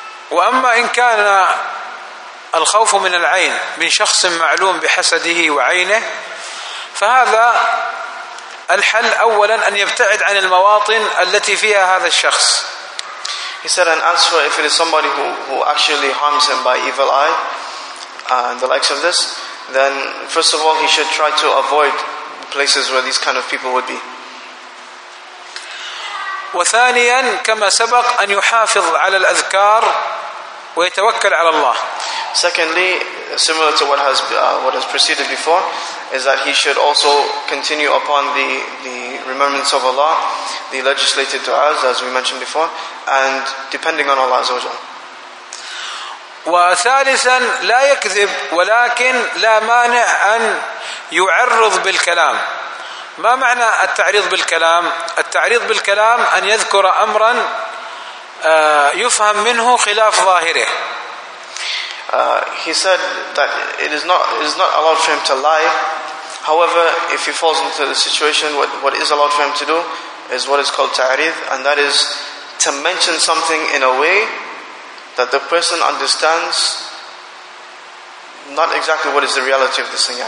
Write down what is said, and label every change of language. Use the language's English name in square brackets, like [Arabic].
[Arabic] وَأَمَّا إِنْ كَانَ الْخَوْفُ مِنَ الْعَيْنِ مِنْ شَخْصٍ مَعْلُومٍ بِحَسَدِهِ وَعَيْنِهِ فَهَذَا الْحَلْ أَوَّلًا أَنْ يَبْتَعِدْ عَنِ الْمَوَاطِنِ الَّتِي فِيهَا هَذَا الشَّخْصِ. [English] He said, and as for if it is somebody who actually harms him by evil eye and the likes of this, then first of all, he should try to avoid places where these kind of people would be. [Arabic] وثانياً كما سبق أن يحافظ على الأذكار ويتوكل على الله. [English] Secondly, similar to what has preceded before, is that he should also continue upon the remembrance of Allah, the legislated du'as, as we mentioned before, and depending on Allah Azza wa Jalla. [Arabic] وثالثا لا يكذب ولكن لا مانع أن يعرض بالكلام. ما معنى التعريض بالكلام؟ التعريض بالكلام أن يذكر أمرا يفهم منه خلاف ظاهره. [English] He said that it is not allowed for him to lie. However, if he falls into the situation, what is allowed for him to do is what is called ta'rid, and that is to mention something in a way that the person understands not exactly what is the reality of this thing.